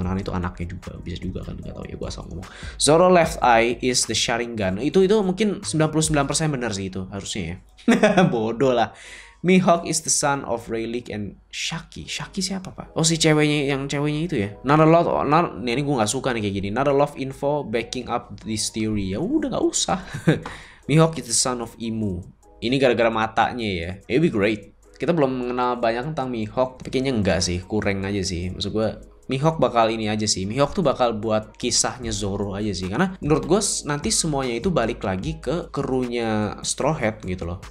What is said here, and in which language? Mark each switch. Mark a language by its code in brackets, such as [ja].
[id] Karena itu anaknya juga, bisa juga kan, enggak tahu ya gua asal ngomong. Zoro left eye is the Sharingan. Itu mungkin 99% benar sih itu harusnya ya. Bodoh lah. [en] Mihawk is the son of Rayleigh and Shaki. Shaki siapa, Pak? [id] Oh, si ceweknya, yang ceweknya itu ya. Ini gue enggak suka nih kayak gini. [en] Not a lot of info backing up this theory. [id] Ya udah enggak usah. Mihawk is the son of Imu. Ini gara-gara matanya ya. It would be great. Kita belum mengenal banyak tentang Mihawk, tapi kayaknya enggak sih, kurang aja sih. Maksud gue Mihawk bakal ini aja sih. Mihawk tuh bakal buat kisahnya Zoro aja sih. Karena menurut gue nanti semuanya itu balik lagi ke krunya Straw Hat gitu loh.